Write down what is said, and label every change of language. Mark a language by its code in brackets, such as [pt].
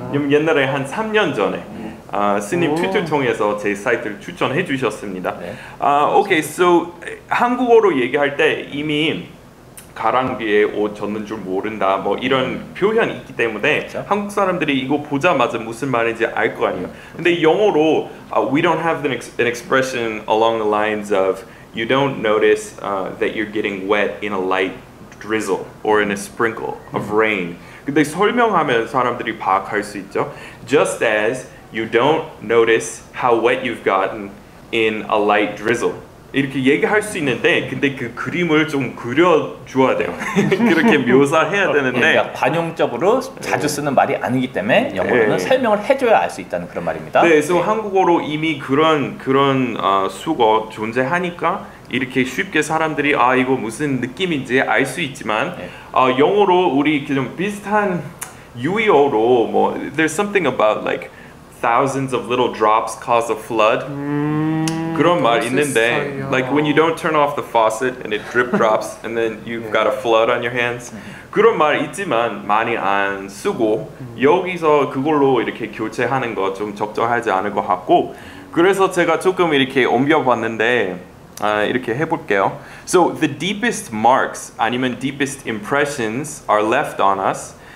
[ko] 좀 옛날에 한 3년 전에. 아, 스님 트위터 통해서 제 사이트를 추천해 주셨습니다. 네. 아, 오케이. Okay, so 한국어로 얘기할 때 이미 가랑비에 옷 젖는 줄 모른다 뭐 이런 표현이 있기 때문에 그렇죠? 한국 사람들이 이거 보자마자 무슨 말인지 알 거 아니에요. 근데 영어로 [en] we don't have an expression along the lines of you don't notice that you're getting wet in a light drizzle or in a sprinkle of rain. [ko] 근데 설명하면 사람들이 파악할 수 있죠. [en] Just as you don't notice how wet you've gotten in a light drizzle. [ko] 이렇게 얘기할 수 있는데 근데 그 그림을 좀 그려줘야 돼요. 그렇게 묘사해야 되는데 그러니까 관용적으로 자주 쓰는 말이 아니기 때문에 영어로는 네. 설명을 해줘야 알 수 있다는 그런 말입니다. 네, 그래서 네. 한국어로 이미 그런 수거 존재하니까 이렇게 쉽게 사람들이 아 이거 무슨 느낌인지 알 수 있지만 네. 영어로 우리 좀 비슷한 유의어로 뭐 [en] there's something about like thousands of little drops cause a flood. [ko] 그런 말 있는데 있어요. [en] like when you don't turn off the faucet and it drip drops and then you've 네. got a flood on your hands. [ko] 그런 말 있지만 많이 안 쓰고 여기서 그걸로 이렇게 교체하는 거 좀 적절하지 않을 것 같고 그래서 제가 조금 이렇게 옮겨 봤는데 이렇게 해 볼게요. [en] So the deepest marks 아니면 deepest impressions are left on us.